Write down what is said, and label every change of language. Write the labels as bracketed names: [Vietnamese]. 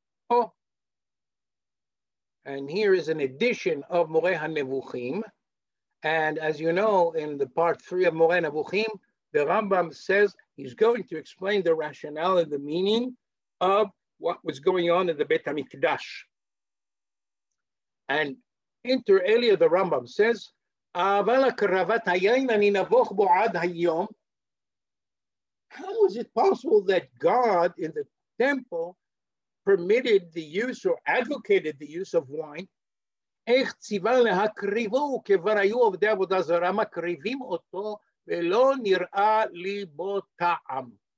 [English] Oh, and here is an edition of Morei HaNevuchim. And as you know, in the part three of Morei HaNevuchim, the Rambam says he's going to explain the rationale and the meaning of what was going on in the Beit HaMikdash. And inter alia, the Rambam says, [Hebrew] אבל הקרבת היין אני נבוך בו עד היום. [English] How is it possible that God in the temple permitted the use or advocated the use of wine? [Hebrew] איך ציוון להקריבו כבר היו עובדי עבודה זרה מקריבים אותו ולא נראה לי בו טעם.